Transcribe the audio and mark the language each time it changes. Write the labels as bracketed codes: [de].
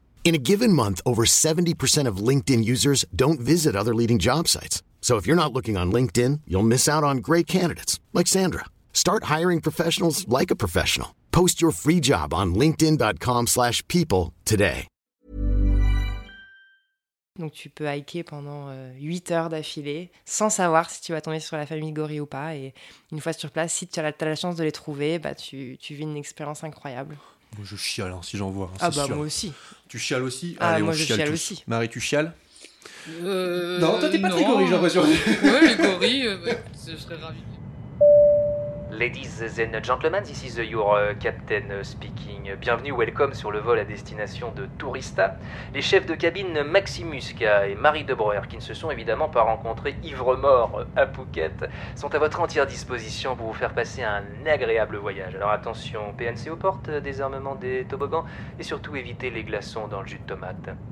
[en] In a given month, over 70% of LinkedIn users don't visit other leading job sites. So if you're not looking on LinkedIn, you'll miss out on great candidates, like Sandra. Start hiring professionals like a professional. Post your free job on linkedin.com/people today. [fr] Donc tu peux hiker pendant 8 heures d'affilée sans savoir si tu vas tomber sur la famille gorille ou pas. Et une fois sur place, si tu as la chance de les trouver, bah tu vis une expérience incroyable. Moi je chiale hein, si j'en vois. Hein, c'est sûr. Moi aussi. Tu chiales aussi ? Ah, allez, moi je chiale tous. Aussi. Marie, tu chiales ? Non, toi t'es pas très gorille, j'ai l'impression. Ouais, les gorilles, je serais ravi. [en] Ladies and gentlemen, this is your captain speaking. [fr] Bienvenue, welcome sur le vol à destination de Tourista. Les chefs de cabine Maximuska et Marie De Breuer, qui ne se sont évidemment pas rencontrés ivre-mort à Phuket, sont à votre entière disposition pour vous faire passer un agréable voyage. Alors attention, PNC aux portes, désarmement des toboggans, et surtout évitez les glaçons dans le jus de tomate.